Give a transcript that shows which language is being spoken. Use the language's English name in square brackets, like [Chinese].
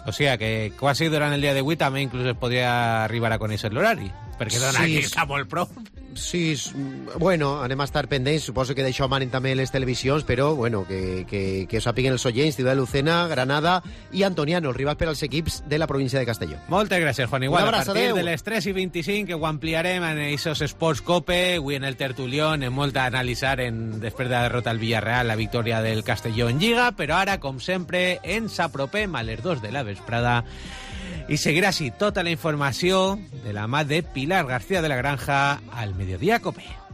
[Spanish] O sea que casi durante el día de hoy también incluso podría arribar a conocer el horario. Porque sí, aquí estamos el pro. [Catalan] Sí, bueno, anem a estar pendents. Suposo que d'això manen també les televisions, però bueno, que sàpiguen els oients, Ciudad de Lucena, Granada i Antoniano, els rivals per als equips de la província de Castelló. Moltes gràcies, Juan Igual. Un abraç, a partir de les 3 i 25, que ho ampliarem en Eixos Esports Cope, avui en el Tertulión, hem molt a analitzar després de la derrota al Villarreal, la victòria del Castelló en Lliga, però ara, com sempre, ens apropem a les 2 de la vesprada. [Spanish] Y seguirá así toda la información de la madre Pilar García de la Granja al Mediodía COPE.